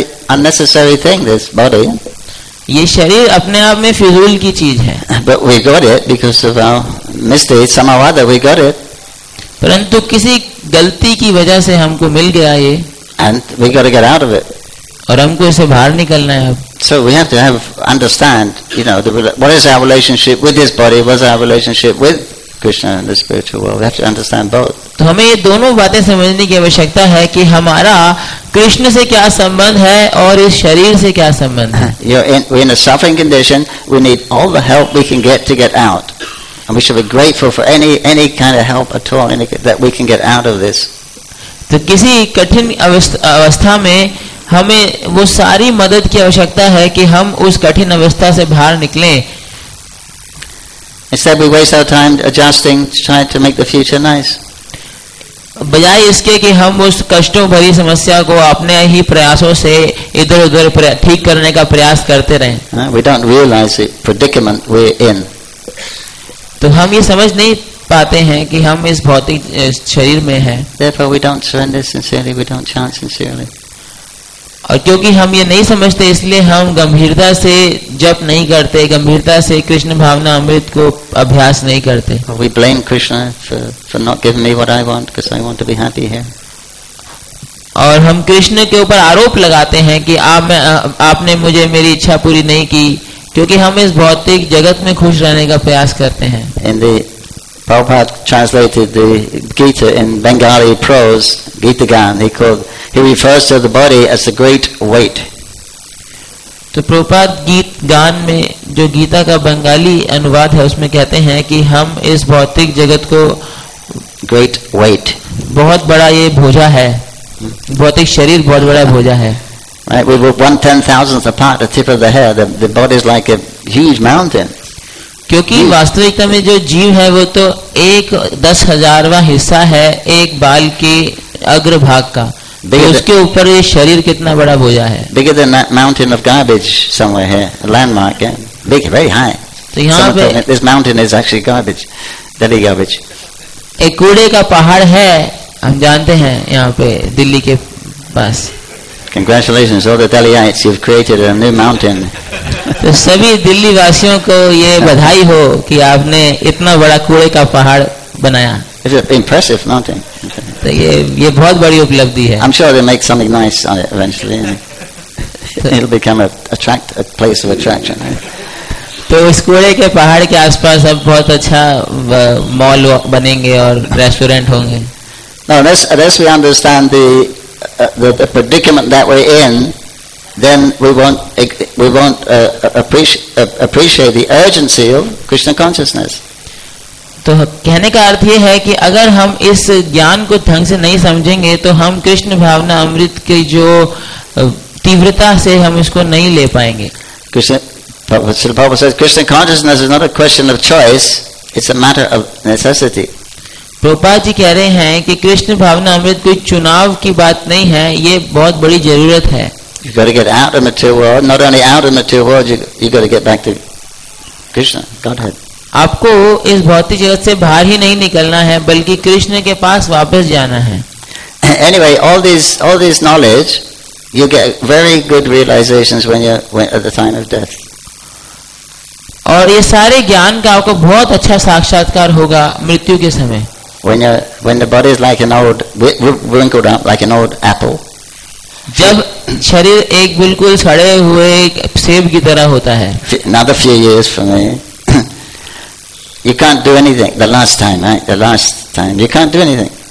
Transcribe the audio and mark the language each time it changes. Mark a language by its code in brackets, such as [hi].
[en] Unnecessary thing, this body. [hi] ये शरीर अपने आप में फिजूल की चीज है. [en] But we got it because of our mistakes, somehow other we got it. [hi] परंतु किसी गलती की वजह से हमको मिल गया ये. [en] And we got to get out of it. [hi] और हमको इसे बाहर निकलना है अब. [en] So we have to have understand, you know, what is our relationship with this body, what is our relationship with Krishna and the spiritual world. We have to understand both. [hi] तो हमें ये दोनों बातें समझने की आवश्यकता है कि हमारा कृष्ण से क्या संबंध है और इस शरीर से क्या संबंध है. [en] We're in a suffering condition. We need all the help we can get to get out, and we should be grateful for any kind of help at all that we can get out of this. [hi] तो किसी कठिन अवस्था में हमें वो सारी मदद की आवश्यकता है कि हम उस कठिन अवस्था से बाहर निकलें. [en] Instead, we waste our time adjusting, trying to make the future nice. [hi] बजाय इसके कि हम उस कष्टों भरी समस्या को अपने ही प्रयासों से इधर उधर ठीक करने का प्रयास करते रहें. [en] We don't realize the predicament we're in. [hi] तो हम ये समझ नहीं पाते हैं कि हम इस भौतिक शरीर में हैं. [en] Therefore, we don't surrender sincerely. We don't chant sincerely. [hi] और क्योंकि हम ये नहीं समझते, इसलिए हम गंभीरता से जप नहीं करते, गंभीरता से कृष्ण भावना अमृत को अभ्यास नहीं करते. [en] We blame Krishna for not giving me what I want because I want to be happy here. [hi] और हम कृष्ण के ऊपर आरोप लगाते हैं कि आपने मुझे मेरी इच्छा पूरी नहीं की, क्योंकि हम इस भौतिक जगत में खुश रहने का प्रयास करते हैं. [en] In the Prabhupada translated the Gita in Bengali prose, Gita Gan, he refers to the body as the great weight. [hi] तो प्रभुपाद गीत गान में जो गीता का बंगाली अनुवाद है उसमें कहते हैं कि हम इस भौतिक जगत को [en] great weight, [hi] बहुत बड़ा ये भोजा है, भौतिक शरीर बहुत बड़ा भोजा है. [en] Right, we were 1/10,000th apart, the tip of the hair. The body is like a huge mountain. [hi] क्योंकि वास्तविकता में जो जीव है वो तो 1/10,000वां हिस्सा है एक बाल के अग्र भाग का. तो उसके ऊपर ये शरीर कितना बड़ा भोजा है. [en] Bigger than that mountain of garbage somewhere here, a landmark, yeah. Big, very high. [hi] तो यहाँ पे [en] this mountain is actually garbage, Delhi garbage. [hi] एक कूड़े का पहाड़ है हम जानते हैं यहाँ पे दिल्ली के पास. [en] Congratulations, all the Delhiites, you've created a new mountain. [hi] तो सभी दिल्ली वासियों को ये बधाई हो कि आपने इतना बड़ा कूड़े का पहाड़ बनाया. [en] It's an impressive mountain. [hi] तो ये बहुत बड़ी उपलब्धि है. [en] I'm sure they make something nice on it eventually. It'll become a place of attraction. [hi] तो इस कूड़े के पहाड़ के आसपास अब बहुत अच्छा मॉल बनेंगे और रेस्टोरेंट होंगे. [en] Now, unless we understand the predicament that we're in, then we won't appreciate the urgency of Krishna consciousness. [hi] तो कहने का अर्थ ये है कि अगर हम इस ज्ञान को ढंग से नहीं समझेंगे तो हम कृष्ण भावना अमृत के जो तीव्रता से हम इसको नहीं ले पाएंगे. [en] Krishna consciousness is not a question of choice, it's a matter of necessity. [hi] Prabhupada ji कह रहे हैं कि कृष्ण भावना अमृत कोई चुनाव की बात नहीं है, ये बहुत बड़ी जरूरत है. [en] You got to get out of the material world. Not only out of the material world, you got to get back to Krishna, Godhead. [hi] आपको इस भौतिक जगत से बाहर ही नहीं निकलना है, बल्कि कृष्ण के पास वापस जाना है. [en] Anyway, all this knowledge, you get very good realizations when at the time of death. [hi] और ये सारे ज्ञान का आपको बहुत अच्छा साक्षात्कार होगा मृत्यु के समय. [en] When the body is like an old wrinkled up like an old apple. [hi] जब शरीर एक बिल्कुल सड़े हुए सेब की तरह होता है. [en] Another few years for me. You can't do anything the last time, right? The last time you can't do anything.